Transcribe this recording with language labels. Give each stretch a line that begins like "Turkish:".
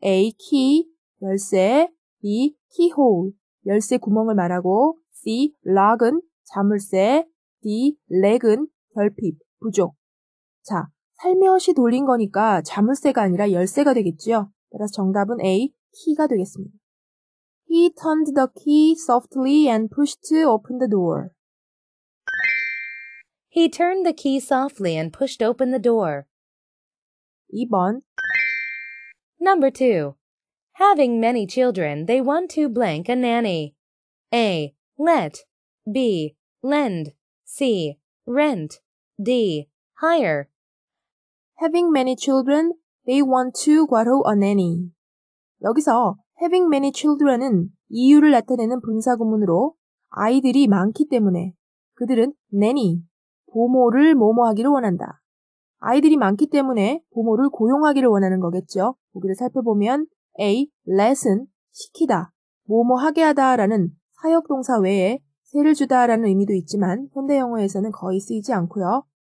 Korean: A. Key, 열쇠 B. Keyhole, 열쇠 구멍을 말하고 C. Lock은 자물쇠 D. Lack은 결핍, 부족 자. 살며시 돌린 거니까 자물쇠가 아니라 열쇠가 되겠지요. 따라서 정답은 A, 키가 되겠습니다.
English: He turned the key softly and pushed to open the door. He turned the key softly and pushed open the door.
Korean: 2번
English: Number 2. Having many children, they want to blank a nanny. A. Let B. Lend C. Rent D. Hire Having many children, they want to
Korean: 괄호
English: a nanny.
Korean: 여기서
English: having many children
Korean: 은 이유를 나타내는 분사구문으로 아이들이 많기 때문에 그들은 nanny, 보모를 뭐뭐하기를 원한다. 아이들이 많기 때문에 보모를 고용하기를 원하는 거겠죠. 여기를 살펴보면 A, lesson, 시키다, 뭐뭐하게 하다 라는 사역동사 외에 세를 주다 라는 의미도 있지만 현대 영어에서는 거의 쓰이지 않고요.